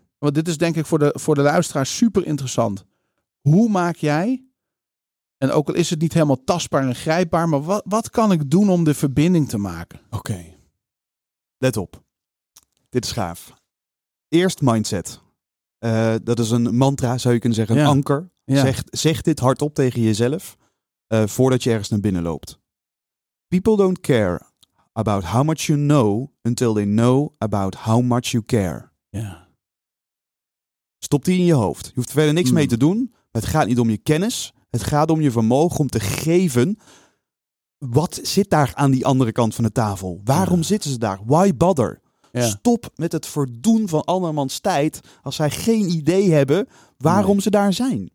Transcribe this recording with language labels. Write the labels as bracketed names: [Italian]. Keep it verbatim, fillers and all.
[Dutch] Want dit is denk ik voor de, voor de luisteraar super interessant. Hoe maak jij, en ook al is het niet helemaal tastbaar en grijpbaar, maar wat, wat kan ik doen om de verbinding te maken? Oké. Okay. Let op. Dit is gaaf. Eerst mindset. Uh, dat is een mantra, zou je kunnen zeggen. Een ja. anker. Ja. Zeg, zeg dit hardop tegen jezelf. Uh, voordat je ergens naar binnen loopt. [English] People don't care about how much you know until they know about how much you care. Yeah. [Dutch] Stop die in je hoofd. Je hoeft verder niks mm. mee te doen. Het gaat niet om je kennis. Het gaat om je vermogen om te geven. Wat zit daar aan die andere kant van de tafel? Waarom ja. zitten ze daar? [English] Why bother? [Dutch] Ja. Stop met het verdoen van andermans tijd als zij geen idee hebben waarom nee. ze daar zijn.